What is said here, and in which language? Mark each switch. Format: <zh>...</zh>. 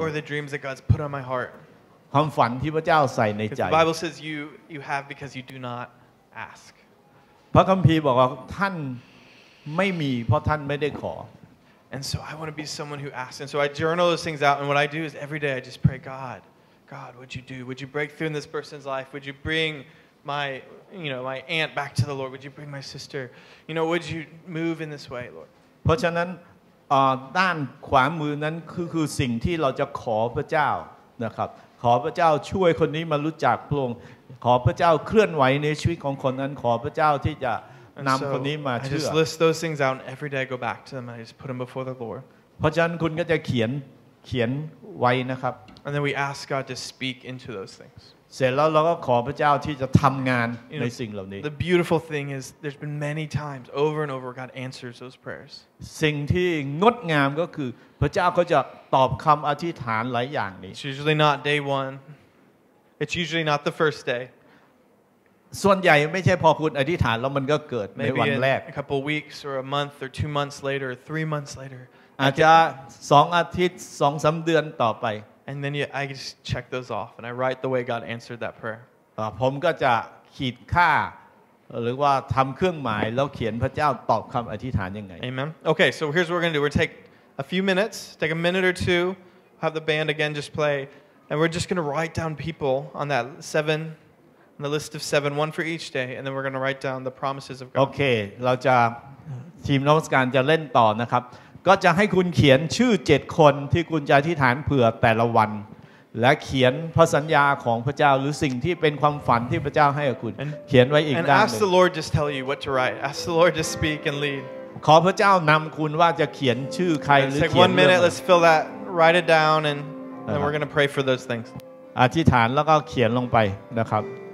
<en>Or the dreams that God's put on my heart.</en> <th>ความฝันที่พระเจ้าใส่ในใจ</th> <en>The Bible says you have because you do not ask.</en> <th>พระคัมภีร์บอกว่าท่านไม่มีเพราะท่านไม่ได้ข</th> <en>อ And so I want to be someone who asks. And so I journal those things out. And what I do is every day I just pray, God, would you do? Would you break through in this person's life? Would you bring my aunt back to the Lord? Would you bring my sister? You know, would you move in this way, Lord?</en> <th>เพราะฉะนั้นด้านขวามือนั้นคือสิ่งที่เราจะขอพระเจ้านะครับขอพระเจ้าช่วยคนนี้มารู้จักพระองค์ขอพระเจ้าเคลื่อนไหวในชีวิตของคนนั้นขอพระเจ้าที่จะนำคนนี้มาเชื่อ</th> <en>I just list those things out every day I go back to them and I just put them before the Lord</en> <th>เพราะฉะนั้นคุณก็จะเขียนไว้นะครับ</th> <en>And then we ask God to speak into those things</en> <th>เสร็จแล้วเราก็ขอพระเจ้าที่จะทำงานในสิ่งเหล่านี้</th> <en>The beautiful thing is there's been many times over and over God answers those prayers</en> <th>สิ่งที่งดงามก็คือพระเจ้าก็จะตอบคำอธิษฐานหลายอย่างนี้</th> <en>It's usually not day one. It's usually not the first day.</en> <th>ส่วนใหญ่ไม่ใช่พอคุณอธิษฐานแล้วมันก็เกิดในวันแรก</th> <en>Maybe a couple weeks or a month or 2 months later, 3 months later.</en> <th>อาจจะ2อาทิตย์ 2-3 เดือนต่อไป</th> <en>And then I just check those off and I write the way God answered that prayer.</en> <th>ผมก็จะขีดค่าหรือว่าทำเครื่องหมายแล้วเขียนพระเจ้าตอบคำอธิษฐานยังไง</th> <en>Amen. Okay, so here's what we're going to do. We're takeA few minutes, take a minute or two, have the band again just play, and we're just going to write down people on that seven, on the list of seven, one for each day, and then we're going to write down the promises of God.</en> <th>Okay, เราจะทีมนมัสการจะเล่นต่อนะครับก็จะให้คุณเขียนชื่อ7คนที่คุณจะอธิษฐานเผื่อแต่ละวันและเขียนพระสัญญาของพระเจ้าหรือสิ่งที่เป็นความฝันที่พระเจ้าให้กับคุณเขียนไว้อีกด้านหนึ่ง</th> <en>And ask the Lord just tell you what to write. Ask the Lord to speak and lead.</en> <th>ขอพระเจ้านำคุณว่าจะเขียนชื่อใครหรือเขียนเรื่อง</th> <en>Take 1 minute let's fill that write it down and then we're going to pray for those things</en> <th>อธิษฐานแล้วก็เขียนลงไปนะครับ</th>